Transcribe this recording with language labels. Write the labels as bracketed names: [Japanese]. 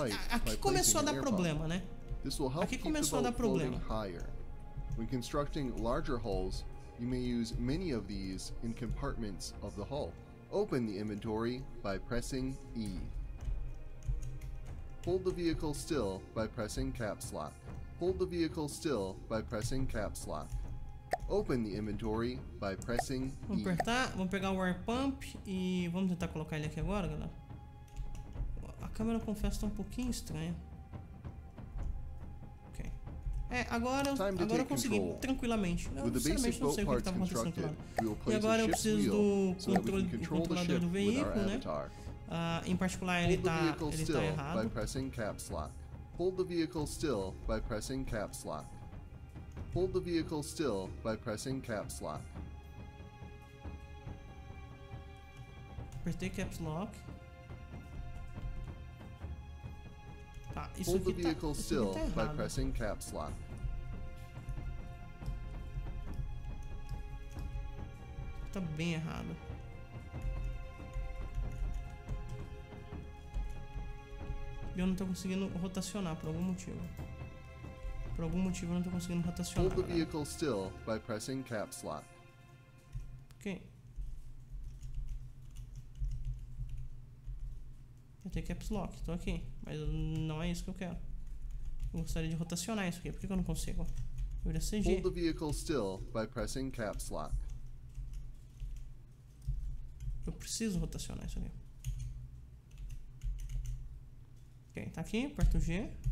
[Portuguese] Aqui começou a dar problema, né? Aqui começou a dar problema. [English] When constructing larger hulls, you may use many of these in compartments of the hull. Open the inventory by pressing E. Hold the vehicle still by pressing caps lock. Hold the vehicle still by pressing caps lock. Open the inventory by pressing E. [Portuguese] Vamos apertar, vamos pegar o air pump e vamos tentar colocar ele aqui agora, galera. A câmera, confesso, tá um pouquinho estranha. Ok. Agora eu consegui tranquilamente. Eu sinceramente não sei o que estava acontecendo lá. E agora eu preciso do controlador do veículo, né? Em particular, ele tá errado. [English] By pressing caps lock. Hold the vehicle still by pressing caps lock. Hold the vehicle still by pressing caps lock. [Portuguese] Apertei caps lock. Tá, isso aqui tá. [English] Hold the vehicle still by pressing caps lock. [Portuguese] Tá bem errado. Eu não tô conseguindo rotacionar por algum motivo. Por algum motivo eu não estou conseguindo rotacionar. [English] Hold the vehicle still by pressing caps lock. [Portuguese] Ok. Eu tenho caps lock, estou aqui. Mas não é isso que eu quero. Eu gostaria de rotacionar isso aqui. Por que eu não consigo? Eu iria CG. [English] Hold the vehicle still by pressing caps lock. [Portuguese] Eu preciso rotacionar isso aqui. Ok, está aqui, aperto G.